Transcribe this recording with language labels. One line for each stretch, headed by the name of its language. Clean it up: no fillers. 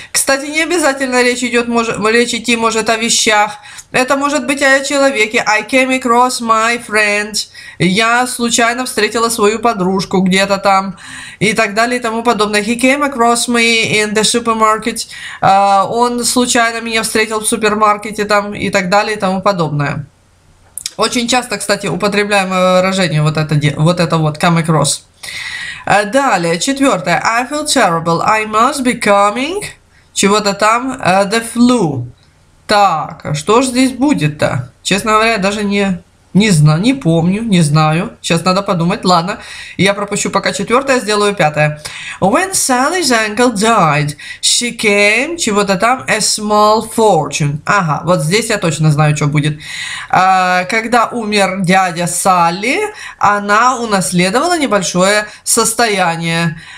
Russian: Кстати, не обязательно речь идти может о вещах. Это может быть о человеке.
English: I came across my friend.
Russian: Я случайно встретила свою подружку где-то там. И так далее и тому подобное.
English: He came across me in the supermarket.
Russian: Он случайно меня встретил в супермаркете там. И так далее и тому подобное. Очень часто, кстати, употребляемое выражение вот это
English: come across.
Russian: Далее, четвертое.
English: I feel terrible. I must be coming.
Russian: чего-то там,
English: the flu.
Russian: Так, а что же здесь будет-то? Честно говоря, я даже не знаю. Сейчас надо подумать. Ладно, я пропущу пока четвертое, сделаю пятое.
English: When Sally's uncle died, she came,
Russian: чего-то там,
English: a small fortune.
Russian: Ага, вот здесь я точно знаю, что будет. Когда умер дядя Салли, она унаследовала небольшое состояние.